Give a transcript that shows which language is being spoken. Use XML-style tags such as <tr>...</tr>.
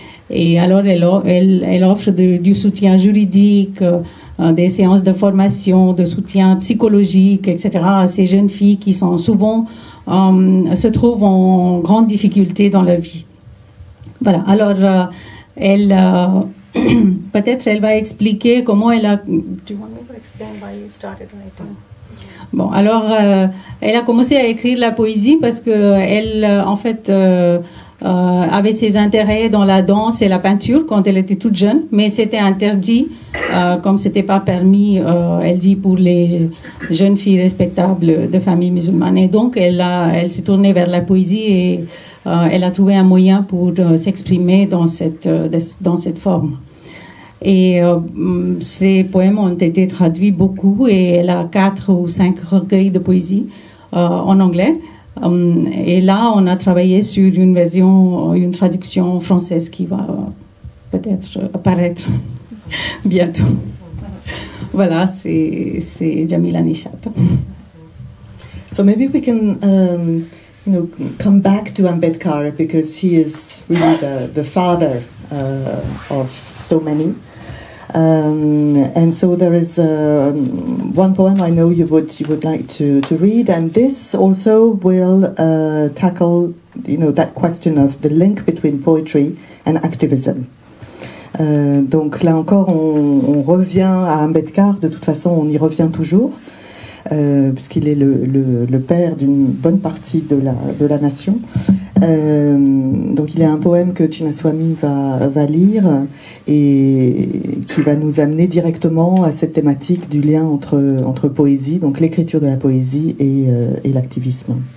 <fr>Et alors elle offre du soutien juridique, des séances de formation, de soutien psychologique, etc. à ces jeunes filles qui sont souvent se trouvent en grande difficulté dans leur vie. Voilà. Alors, peut-être elle va expliquer comment elle a.</fr> <en>Do you want me to explain why you started writing?</en> <fr>Bon, alors, elle a commencé à écrire la poésie parce que elle avait ses intérêts dans la danse et la peinture quand elle était toute jeune, mais c'était interdit, comme c'était pas permis, elle dit, pour les jeunes filles respectables de familles musulmanes. Et donc, elle s'est tournée vers la poésie et elle a trouvé un moyen pour s'exprimer dans cette forme. Et ses poèmes ont été traduits beaucoup, et elle a 4 ou 5 recueils de poésie en anglais. Et là, on a travaillé sur une version, une traduction française qui va peut-être apparaître bientôt. Voilà, c'est Jamila Nishat.</fr> <en>So maybe we can, come back to Ambedkar, because he is really the father of so many. And so there is one poem I know you would like to read, and this also will tackle, you know, that question of the link between poetry and activism.</en> <fr>Donc là encore, on revient à Ambedkar. De toute façon, on y revient toujours, puisqu'il est le père d'une bonne partie de la nation. Donc il y a un poème que Chinnaswamy va lire et qui va nous amener directement à cette thématique du lien entre poésie, donc l'écriture de la poésie et l'activisme.</fr>